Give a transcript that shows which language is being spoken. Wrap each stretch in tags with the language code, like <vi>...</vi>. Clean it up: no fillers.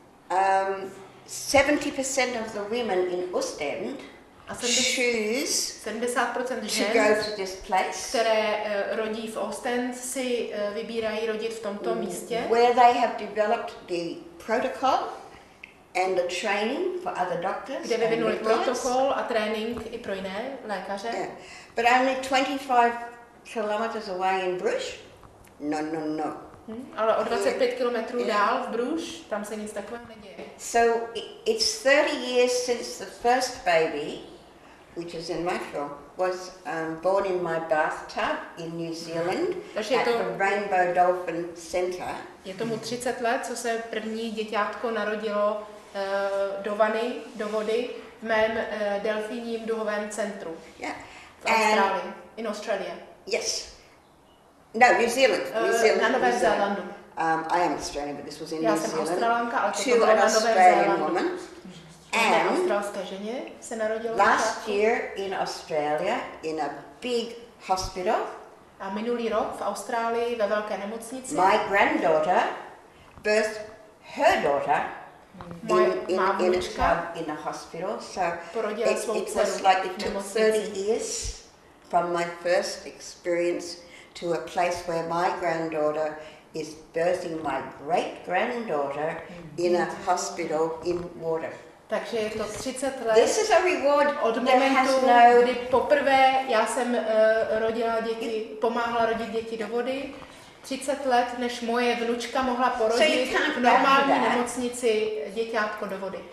<en>And 70% of the women in Ostend.</en> <cs>A 70% žen, které rodí v Ostend, si vybírají rodit v tomto místě.</cs> <en>Where they have developed the protocol and the training for other doctors.</en> <cs>Kde vyvinuli protokol a trénink i pro jiné lékaře.</cs> <en>But only 25 kilometers away in Bruges. No.</en> <cs>Ale o 25 kilometrů dál v Bruges, tam se nic takového neděje.</cs> <en>So it's 30 years since the first baby, which is in my film, was born in my bathtub in New Zealand at the Rainbow Dolphin Centre.</en> <cs>Je tomu 30 let, co se první děťátko narodilo do vany, do vody, v mém delfíním duhovém centru.</cs> <en>Yeah.</en> <cs>V Austrálii.</cs> <en>In Australia. Yes. No, New Zealand.</en> <cs>Na Novém Zélandu.</cs> <en>I am Australian, but this was in New Zealand.</en> <cs>Já jsem Australanka, ale to bylo na Novém Zélandu.</cs> <en>And</en> <cs>se narodilo</cs> <en>last year in Australia in a big hospital.</en> <cs>A minulý rok v Austrálii ve velké nemocnici.</cs> <en>My granddaughter birthed her daughter in a hospital. So it was like it took 30 years from my first experience to a place where my granddaughter is birthing my great granddaughter in a hospital in water.</en> <cs>Takže je to 30 let.</cs> <en>This is a reward</en> <cs>od momentu, kdy poprvé já jsem rodila děti, pomáhala rodit děti do vody. 30 let, než moje vnučka mohla porodit v normální nemocnici děťátko do vody.</cs>